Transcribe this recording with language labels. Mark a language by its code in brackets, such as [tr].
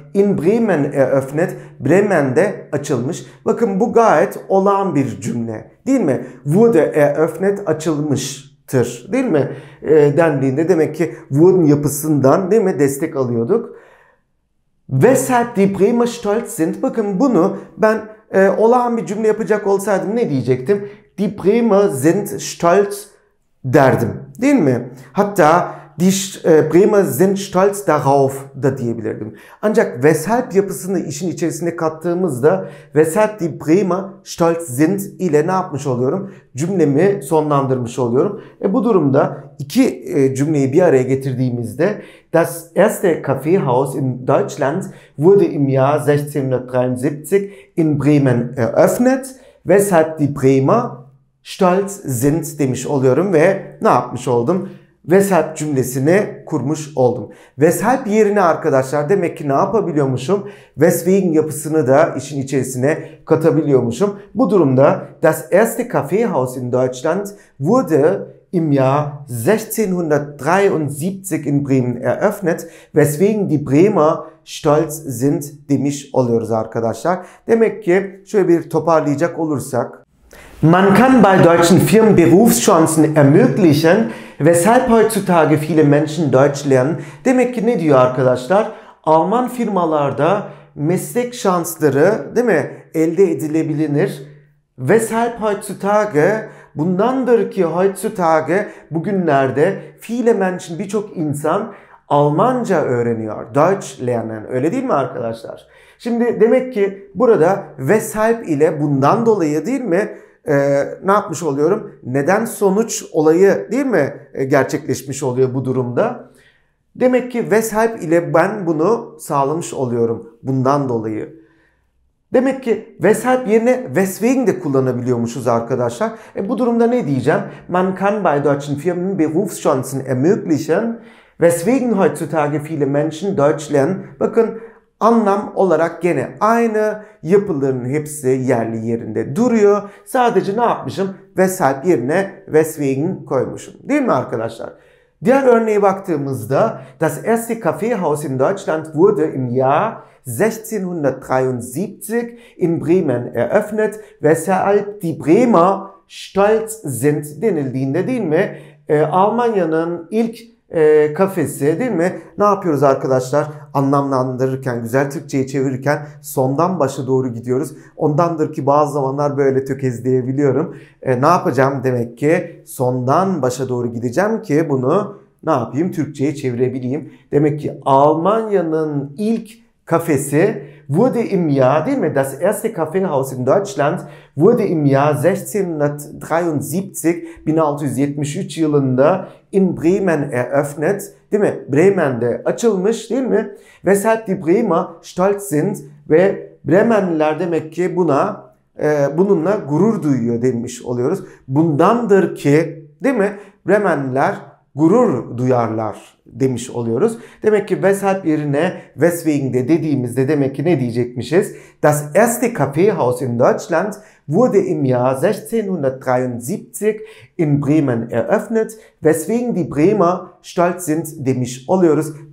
[de] in Bremen eröffnet, [tr] Bremen'de açılmış. Bakın bu gayet olağan bir cümle değil mi? [de] Wurde eröffnet, [tr] açılmıştır değil mi? Dendiğinde demek ki wurden yapısından değil mi destek alıyorduk. [de] Weshalb die Bremer stolz sind? [tr] Bakın bunu ben olağan bir cümle yapacak olsaydım ne diyecektim? [de] Die Bremer sind stolz [tr] derdim değil mi? Hatta [de] die Bremer sind stolz darauf [tr] da diyebilirdim. Ancak weshalb yapısını işin içerisine kattığımızda [de] weshalb die Bremer stolz sind [tr] ile ne yapmış oluyorum? Cümlemi sonlandırmış oluyorum. Bu durumda iki cümleyi bir araya getirdiğimizde [de] das erste Kaffeehaus in Deutschland wurde im Jahr 1673 in Bremen eröffnet. Weshalb die Bremer stolz sind [tr] demiş oluyorum ve ne yapmış oldum? Weshalb cümlesini kurmuş oldum. Weshalb yerine arkadaşlar demek ki ne yapabiliyormuşum? Weswegen yapısını da işin içerisine katabiliyormuşum. Bu durumda [de] das erste Kaffeehaus in Deutschland wurde im Jahr 1673 in Bremen eröffnet, weswegen die Bremer stolz sind [tr] demiş oluyoruz arkadaşlar. Demek ki şöyle bir toparlayacak olursak, [de] man kann bei deutschen Firmen Berufschancen ermöglichen, weshalb heutzutage viele Menschen Deutsch lernen. [tr] Demek ki ne diyor arkadaşlar? Alman firmalarda meslek şansları, değil mi? Elde edilebilir. [de] Weshalb heutzutage, [tr] bundandır ki heutzutage, bugünlerde [de] viele Menschen, [tr] birçok insan Almanca öğreniyor. [de] Deutsch lernen. [tr] Öyle değil mi arkadaşlar? Şimdi demek ki burada weshalb ile bundan dolayı değil mi? Ne yapmış oluyorum? Neden sonuç olayı değil mi gerçekleşmiş oluyor bu durumda? Demek ki weshalb ile ben bunu sağlamış oluyorum bundan dolayı. Demek ki weshalb yerine weswegen de kullanabiliyormuşuz arkadaşlar. Bu durumda ne diyeceğim? [de] Man kann bei deutschen Firmen Berufschancen ermöglichen, weswegen heutzutage viele Menschen Deutsch lernen. [tr] Bakın anlam olarak gene aynı, yapıların hepsi yerli yerinde duruyor. Sadece ne yapmışım? Weshalb yerine weswegen koymuşum. Değil mi arkadaşlar? Diğer örneğe baktığımızda [de] das erste Kaffeehaus in Deutschland wurde im Jahr 1673 in Bremen eröffnet, weshalb die Bremer stolz sind [tr] denildiğinde değil mi? Almanya'nın ilk kafesi değil mi? Ne yapıyoruz arkadaşlar? Anlamlandırırken, güzel Türkçe'ye çevirirken sondan başa doğru gidiyoruz. Ondandır ki bazı zamanlar böyle tökezleyebiliyorum. Ne yapacağım demek ki? Sondan başa doğru gideceğim ki bunu ne yapayım? Türkçe'ye çevirebileyim. Demek ki Almanya'nın ilk kafesi [de] wurde im Jahr, [tr] değil mi? [de] Das erste Kaffeehaus in Deutschland wurde im Jahr 1673, [tr] 1673 yılında [de] in Bremen eröffnet, [tr] değil mi? Bremen'de açılmış, değil mi? [de] Weshalb die Bremer stolz sind [tr] ve Bremenliler demek ki buna bununla gurur duyuyor demiş oluyoruz. Bundandır ki, değil mi? Bremenliler gurur duyarlar demiş oluyoruz. Demek ki weshalb yerine weswegen de dediğimizde demek ki ne diyecekmişiz? [de] Das erste Kaffeehaus in Deutschland wurde im Jahr 1673 in Bremen eröffnet, weswegen die Bremer stolz sind [tr] demiş oluyoruz.